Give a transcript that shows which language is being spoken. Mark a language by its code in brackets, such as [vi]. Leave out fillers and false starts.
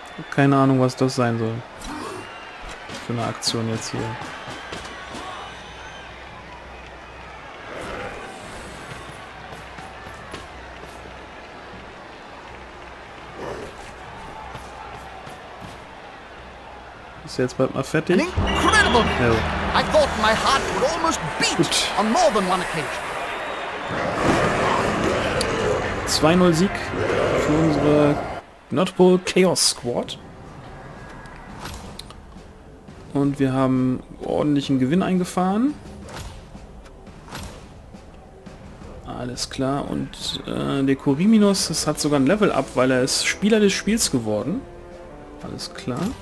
[de] Keine Ahnung, was das sein soll. Für eine Aktion jetzt hier. Ist jetzt bald mal fertig. [en] An incredible move. I thought my heart would almost beat on more than one occasion. [de] 2-0 Sieg für unsere Nordpol Chaos Squad. Und wir haben ordentlichen Gewinn eingefahren. Alles klar. Und der Koriminos, das hat sogar ein Level-Up, weil er ist Spieler des Spiels geworden. Alles klar.